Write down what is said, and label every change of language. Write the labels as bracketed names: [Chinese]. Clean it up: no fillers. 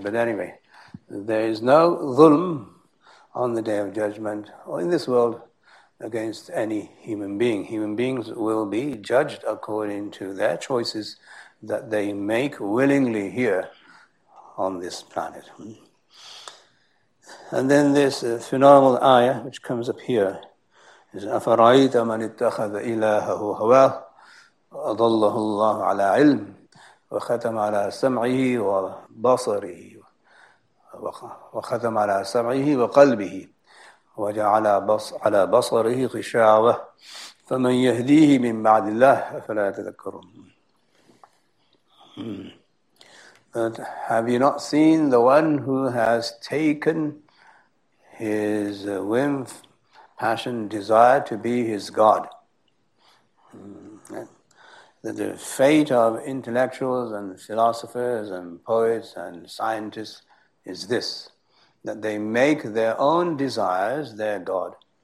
[English] But anyway, there is no dhulm on the Day of Judgment or in this world against any human being. Human beings will be judged according to their choices that they make willingly here on this planet. And then this phenomenal ayah which comes up here is [Arabic] أَفَرَأَيْتَ مَنِ اتَّخَذَ إِلَٰهَهُ هَوَاهُ أَضَلَّهُ اللَّهُ عَلَىٰ عِلْمٍ وَخَتَمَ عَلَىٰ سَمْعِهِ وَبَصَرِهِ وَخَتَمَ عَلَىٰ سَمْعِهِ وَقَلْبِهِ وَجَعَلَ عَلَىٰ بَصَرِهِ غِشَاوَةً فَمَنْ يَهْدِيهِ مِنْ بَعْدِ اللَّهِ فَلَا يَتَذَكَّرُونَ. [English] Have you not seen the one who has taken his whim, passion, desire to be his God? That the fate of intellectuals and philosophers and poets and scientists is this, that they make their own desires their God.